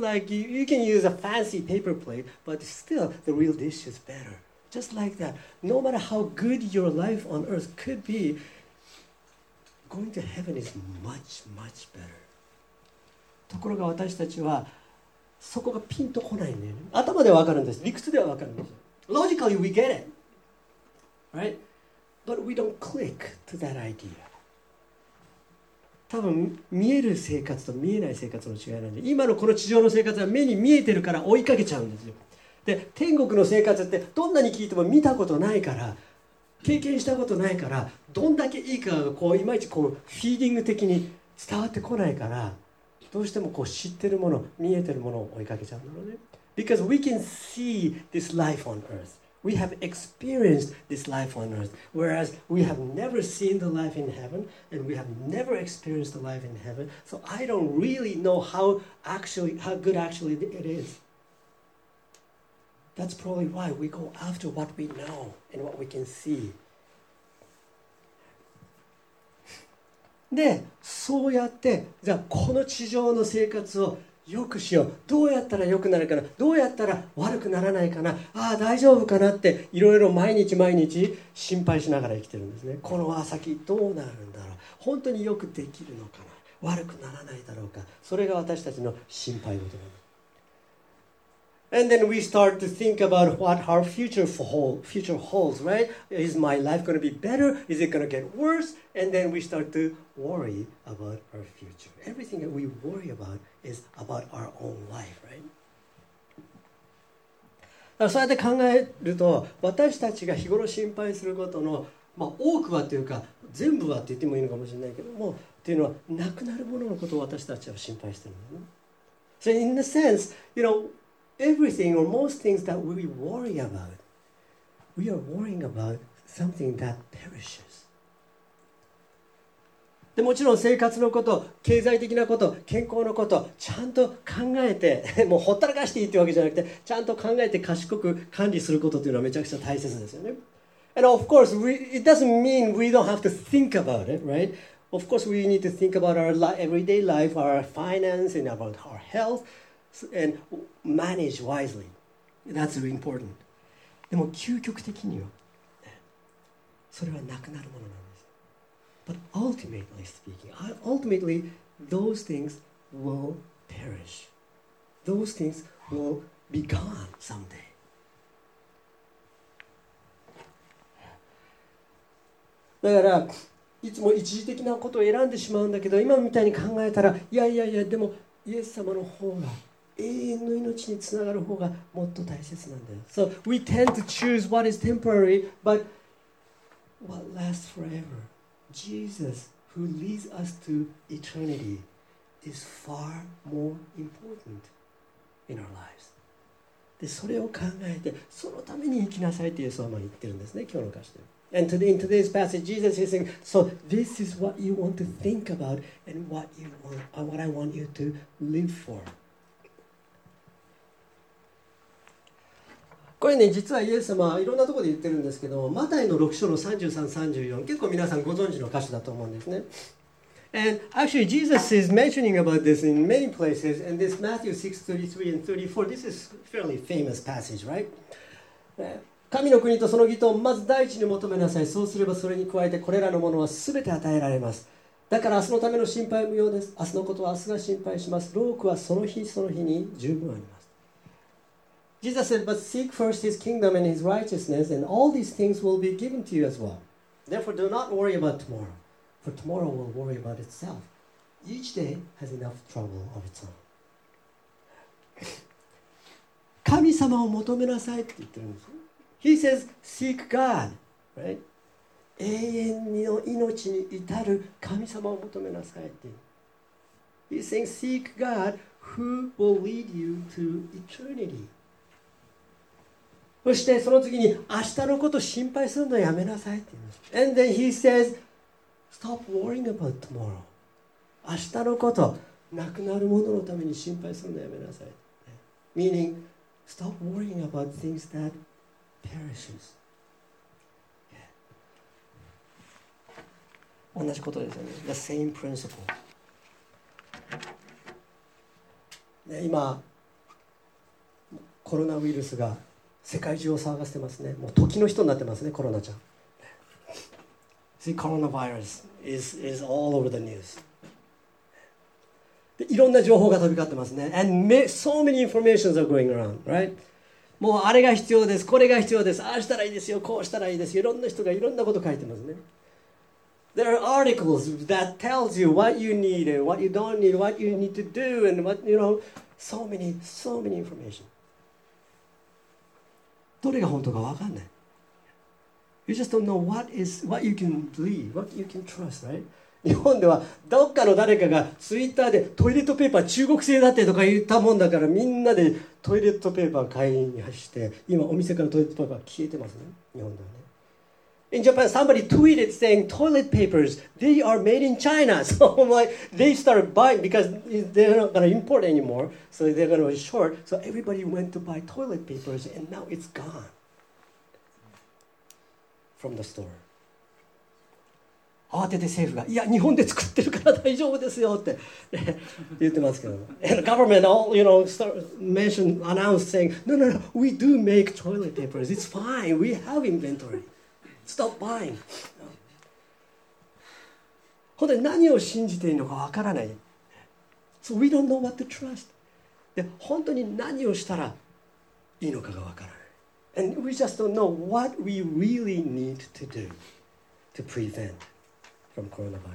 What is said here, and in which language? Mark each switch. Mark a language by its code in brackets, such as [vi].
[en] Just like you can use a fancy paper plate, but still the real dish is better. Just like that. No matter how good your life on earth could be, going to heaven is much, much better. [ja] ところが私たちはそこがピンとこないね。頭ではわかるんです。理屈ではわかるんです。 [en] Logically, we get it. Right? But we don't click to that idea. [ja] 多分見える生活と見えない生活の違いなんで、今のこの地上の生活は目に見えてるから追いかけちゃうんですよ。で、天国の生活ってどんなに聞いても見たことないから、経験したことないから、どんだけいいかがこういまいちこうフィーディング的に伝わってこないから、どうしてもこう知ってるもの、見えてるものを追いかけちゃうんだろうね。 [en] Because we can see this life on earth. We have experienced this life on earth, whereas we have never seen the life in heaven, and we have never experienced the life in heaven, so I don't really know how good actually it is. That's probably why we go after what we know and what we can see. [ja] で、そうやって、じゃあこの地上の生活を良くしよう、どうやったら良くなるかな、どうやったら悪くならないかな、ああ大丈夫かなっていろいろ毎日毎日心配しながら生きてるんですね。この先どうなるんだろう、本当によくできるのかな、悪くならないだろうか、それが私たちの心配事なんです。 [en] And then we start to think about what our future holds, right? Is my life going to be better? Is it going to get worse? And then we start to worry about our future. Everything that we worry aboutis about our own life, right? [ja] そうやって考えると、私たちが日頃心配することの、まあ、多くはというか、全部はって言ってもいいのかもしれないけども、というのは、亡くなるもののことを私たちは心配してるんだよね。 [en] So in a sense, you know, everything or most things that we worry about, we are worrying about something that perishes. [ja] でもちろん生活のこと、経済的なこと、健康のこと、ちゃんと考えて、もうほったらかしていいってわけじゃなくて、ちゃんと考えて賢く管理することというのはめちゃくちゃ大切ですよね。 [en] And of course, it doesn't mean we don't have to think about it, right? Of course, we need to think about our everyday life, our finance, and about our health, and manage wisely. That's important. [ja] でも究極的には、それはなくなるものなんです。 [en] But ultimately speaking, ultimately those things will perish. Those things will be gone someday. [ja] だからいつも一時的なことを選んでしまうんだけど、今みたいに考えたら、いやいやいや、でもイエス様の方が永遠の命につながる方がもっと大切なんだよ。 [en] So we tend to choose what is temporary, but what lasts forever. Jesus, who leads us to eternity, is far more important in our lives. [ja] で、それを考えて、そのために生きなさいってイエス様は言ってるんですね、今日の歌詞で。 [en] And today, in today's passage, Jesus is saying, so this is what you want to think about and what I want you to live for. [ja] これね、実はイエス様はいろんなところで言ってるんですけど、マタイの6章の33-34、結構皆さんご存知の歌詞だと思うんですね。 [en] And actually Jesus is mentioning about this in many places, and this Matthew 6:33 and 34, this is fairly famous passage, right? [ja] 神の国とその義とをまず第一に求めなさい。そうすればそれに加えてこれらのものは全て与えられます。だから明日のための心配無用です。明日のことは明日が心配します。労苦はその日その日に十分あります。 [en] Jesus said, but seek first his kingdom and his righteousness and all these things will be given to you as well. Therefore do not worry about tomorrow, for tomorrow will worry about itself. Each day has enough trouble of its own. [ja] 神様を求めなさいって言ってるんですよ。 [en] He says, seek God, right? [ja] 永遠の命に至る神様を求めなさいって。 [en] He's saying, seek God who will lead you to eternity. [ja] そしてその次に明日のことを心配するのやめなさいって言います。 [en] And then he says, stop worrying about tomorrow. [ja] 明日のこと、なくなるもののために心配するのやめなさい。 [en] Meaning, stop worrying about things that perishes. [ja] 同じことですよね。 [en] The same principle. [ja] で今コロナウイルスが世界中を騒がせてますね。もう時の人になってますね、コロナちゃん。 [en] See, coronavirus is all over the news. [ja] でいろんな情報が飛び交ってますね。 [en] And so many informations are going around, right? [ja] もうあれが必要です、これが必要です、ああしたらいいですよ、こうしたらいいですよ。いろんな人がいろんなこと書いてますね。 [en] There are articles that tells you what you need and what you don't need, what you need to do and what, you know, so many information. [ja] どれが本当か分かんない。 [en] You just don't know what you can believe, what you can trust, right? [ja] 日本ではどっかの誰かがツイッターでトイレットペーパー中国製だってとか言ったもんだからみんなでトイレットペーパー買いに走って今お店からトイレットペーパー消えてますね、日本ではね。 [en] In Japan, somebody tweeted saying toilet papers, they are made in China. So I'm like, they started buying because they're not going to import anymore. So they're going to be short. So everybody went to buy toilet papers and now it's gone from the store. [ja] 慌てて政府が、いや、日本で作ってるから大丈夫ですよって言ってますけど。 [en] And the government all, you know, announced saying, no, we do make toilet papers. It's fine. We have inventory. Stop buying. [ja] 本当に何を信じているのかわからない。 [en] So we don't know what to trust. [ja] で本当に何をしたらいいのかがわからない。 [en] And we just don't know what we really need to do to prevent from coronavirus.